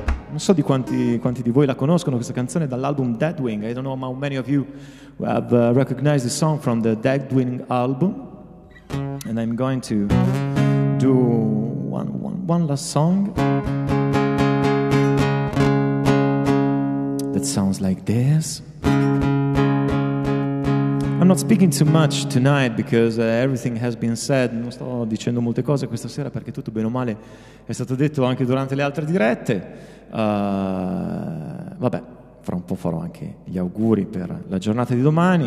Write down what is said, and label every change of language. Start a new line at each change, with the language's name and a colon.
Italian: Non so di quanti di voi la conoscono questa canzone dall'album Deadwing.
English: I don't know how many of you have recognized the song from the Deadwing album. And I'm going to do one last song that sounds like this. I'm not speaking too much tonight because everything has been said.
Italian: Non sto dicendo molte cose questa sera perché tutto bene o male è stato detto anche durante le altre dirette. Vabbè, fra un po' farò anche gli auguri per la giornata di domani.